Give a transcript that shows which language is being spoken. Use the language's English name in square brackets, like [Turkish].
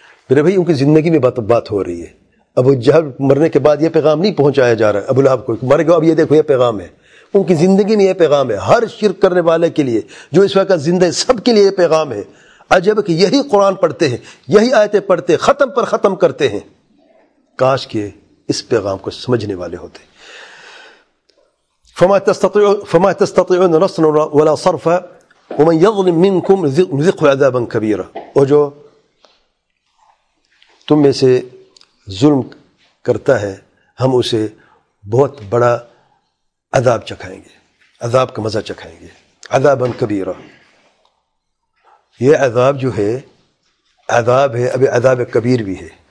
[Urdu] میرے بھائی ان کی زندگی میں بات ہو رہی ہے. ابو جہل مرنے کے بعد یہ پیغام نہیں پہنچایا جا رہا ہے ابو لہب کو, مر گیا اب یہ دیکھو یہ پیغام ہے. ان کی زندگی میں یہ پیغام ہے, ہر شرک کرنے والے کے لیے جو اس وقت زندہ ہے سب کے لیے یہ پیغام ہے. عجب کہ یہی قرآن پڑھتے ہیں, یہی آیتیں پڑھتے ہیں, ختم پر ختم کرتے ہیں. کاش کے اس پیغام کو سمجھنے والے ہوتے. [Arabic] فما تستطيعون نصرا ولا صرفا ومن يظلم منكم نذقه عذابا كبيرا. [Urdu] اور جو تم میں سے ظلم کرتا ہے ہم اسے بہت بڑا عذاب چکھائیں گے, عذاب کا مزہ چکھائیں گے. [Arabic] عذابا كبيرا, [Urdu] یہ عذاب جو ہے عذاب ہے, ابھی عذاب کبیر بھی ہے.